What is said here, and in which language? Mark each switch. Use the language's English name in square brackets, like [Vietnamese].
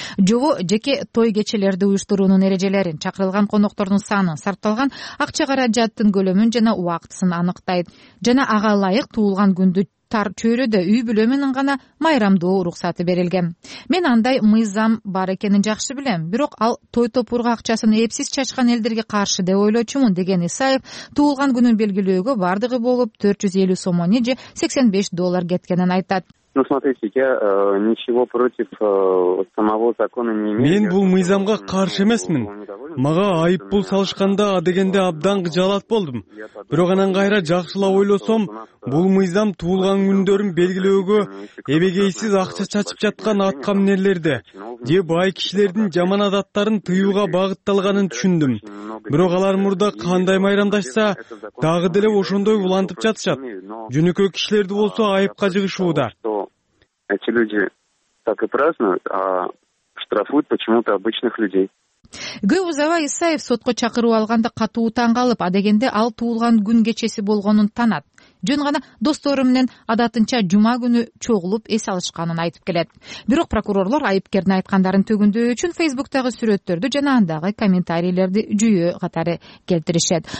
[Kyrgyz] Жого жеке той кечелерди уюштуруунун эрежелерин, чакырылган коноктордун саны, сарпталган акча каражаттын көлөмүн жана убактысын аныктайт жана ага ылайык туулган күндү тар чөйрөдө үй бүлө менен гана майрамдоо уруксаты берилген. Мен андай мыйзам бар экенин жакшы билем, бирок ал той топурга акчасын эпсиз чачкан элдерге каршы деп ойлочумун, деген Исаев туулган күнүн белгилөөгө бардыгы болуп 450 сом же 85 доллар кеткенин айтат. [Russian] Ну смотрите, я ничего против самого закона не имею. [Kyrgyz] Мен бул мыйзамга каршы эмесмин. Мага айыппул салышканда адегенде абдан кыжалат болдум. Бирок анан кайра жакшылап ойлосом, бул мыйзам туулган күндөрүн белгилөөгө эбегейсиз акча чачып жаткан аткаминерлерди же бай кишилердин жаман адаттарын тыюуга багытталганын түшүндүм. Бирок алар мурда кандай майрамдашса, дагы деле ошондой улантып жатышат. Жөнөкөй кишилерди болсо айыпка жыгышууда. [Russian] Эти люди так и празднуют, а штрафуют почему-то обычных людей. [Kyrgyz] Көп узабай Исаев сотко чакыруу алганда катуу таң калып, адегенде ал туулган күн кечеси болгонун танат. Жөн гана достору менен адатынча жума күнү чогулуп эс алышканын айтып келет. Бирок прокурорлор айыпкердин айткандарын түгүндөө үчүн Facebook-тагы сүрөттөрдү жана андагы комментарийлерди жүйө катары келтиришет.